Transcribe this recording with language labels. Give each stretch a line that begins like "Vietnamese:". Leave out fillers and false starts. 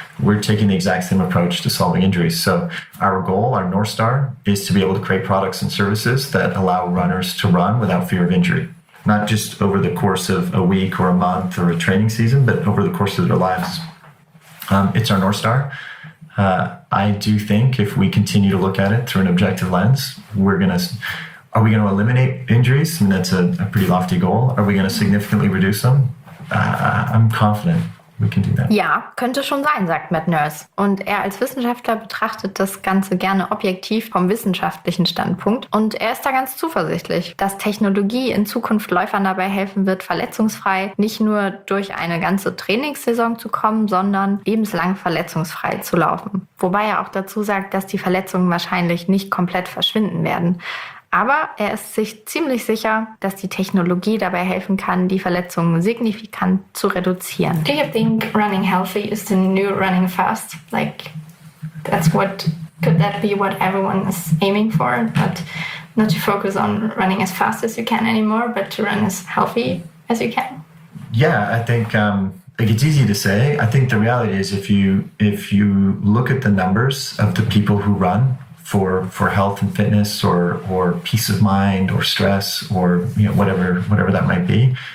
English: We're taking the exact same approach to solving injuries. So our goal, our North Star, is to be able to create products and services that allow runners to run without fear of injury, not just over the course of a week or a month or a training season, but over the course of their lives. It's our North Star. I do think if we continue to look at it through an objective lens, are we going to eliminate injuries? I mean, that's a pretty lofty goal. Are we going to significantly reduce them? I'm confident. We can do that.
German: Ja, könnte schon sein, sagt Matt Nurse. Und er als Wissenschaftler betrachtet das Ganze gerne objektiv vom wissenschaftlichen Standpunkt. Und er ist da ganz zuversichtlich, dass Technologie in Zukunft Läufern dabei helfen wird, verletzungsfrei nicht nur durch eine ganze Trainingssaison zu kommen, sondern lebenslang verletzungsfrei zu laufen. Wobei er auch dazu sagt, dass die Verletzungen wahrscheinlich nicht komplett verschwinden werden. Aber er ist sich ziemlich sicher, dass die Technologie dabei helfen kann, die Verletzungen signifikant zu reduzieren.
English: Do you think running healthy is the new running fast? Like, that's what, could that be what everyone is aiming for? But not to focus on running as fast as you can anymore, but to run as healthy as you can? Yeah, I think it's easy to say. I think the reality is if you look at the numbers of the people who run, for health and fitness or peace of mind or stress or whatever that might be.